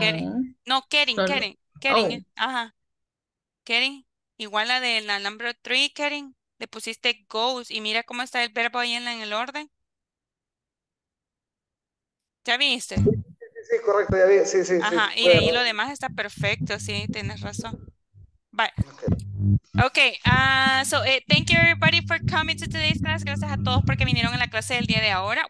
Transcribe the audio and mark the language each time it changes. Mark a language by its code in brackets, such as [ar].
[en] Caring. Oh. Ajá. Caring. [es] Igual la del number 3, Karen, le pusiste goes y mira cómo está el verbo ahí en el orden. ¿Ya viste? Sí, correcto, ya vi. Sí. Ajá, sí, y bueno. Ahí lo demás está perfecto, sí, tienes razón. [en] Bye. Okay, thank you everybody for coming to today's class. [es] Gracias a todos porque vinieron a la clase del día de ahora.